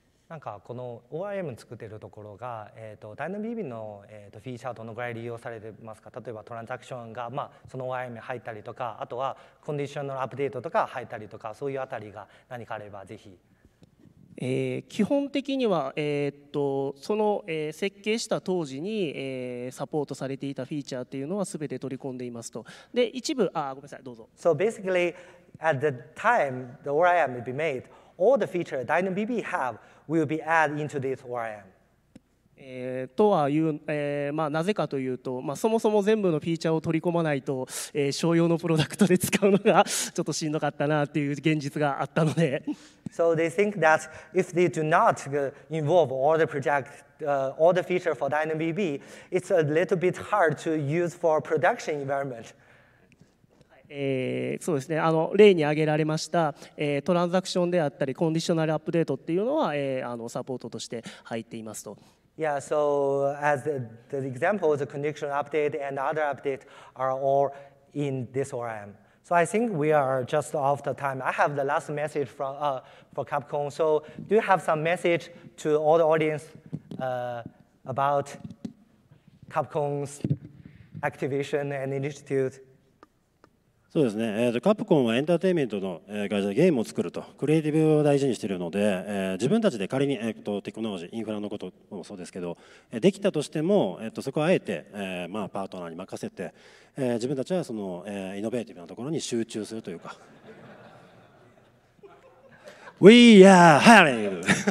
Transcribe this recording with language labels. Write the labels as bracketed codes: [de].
[ja] なんかこの ORM 作ってるところが、DynamoDB の、フィーチャーどのぐらい利用されてますか。例えばトランザクションが、その ORM に入ったりとか、あとはコンディショナルアップデートとか入ったりとか、そういうあたりが何かあればぜひ。基本的には、その、設計した当時に、サポートされていたフィーチャーっていうのは全て取り込んでいますと。で、一部、ごめんなさい、どうぞ。 [en] So basically, at the time the ORM will be made, all the features DynamoDB have,will be added into this ORM. [ja] とはいう、なぜかというと、そもそも全部のフィーチャーを取り込まないと、商用のプロダクトで使うのがちょっとしんどかったなという現実があったので。 [en] So they think that if they do not involve all the project, all the feature for DynamoDB, it's a little bit hard to use for production environment. [ja] そうですね、例に挙げられました、トランザクションであったりコンディショナルアップデートっていうのは、サポートとして入っていますと。 [en] Yeah, so as the example, the conditional update and other update are all in this ORM. So I think we are just off the time. I have the last message from, for Capcom. So do you have some message to all the audience about Capcom's activation and initiative? [ja] そうですね、カプコンはエンターテインメントの会社でゲームを作るとクリエイティブを大事にしているので、自分たちで仮に、テクノロジーインフラのこともそうですけどできたとしても、そこはあえて、パートナーに任せて、自分たちはその、イノベーティブなところに集中するというか [en] We are hiring!